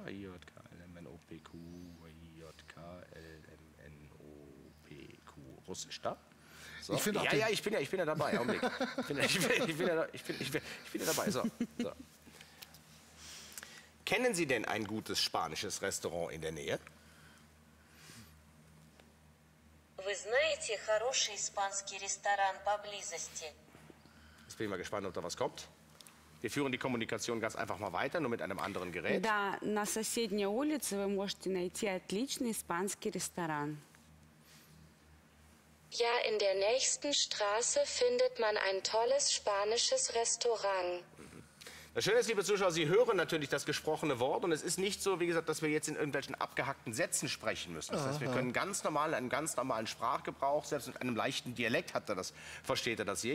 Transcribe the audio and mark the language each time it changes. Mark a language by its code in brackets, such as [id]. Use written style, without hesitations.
[de] J-K-L-M-N-O-P-Q, J-K-L-M-N-O-P-Q, Russisch da. So. Ich ja, ja, ich bin ja dabei. Ich bin ja dabei. So. Kennen Sie denn ein gutes spanisches Restaurant in der Nähe? [ru] Вы знаете хороший испанский ресторан поблизости? [de] Jetzt bin ich mal gespannt, ob da was kommt. Wir führen die Kommunikation ganz einfach mal weiter, nur mit einem anderen Gerät. [ru] Да, на соседней улице вы можете найти отличный испанский ресторан. [de] Ja, in der nächsten Straße findet man ein tolles spanisches Restaurant. Das Schöne ist, liebe Zuschauer, Sie hören natürlich das gesprochene Wort. Und es ist nicht so, wie gesagt, dass wir jetzt in irgendwelchen abgehackten Sätzen sprechen müssen. Das heißt, wir können ganz normal, einen ganz normalen Sprachgebrauch, selbst mit einem leichten Dialekt hat er das, versteht er das hier.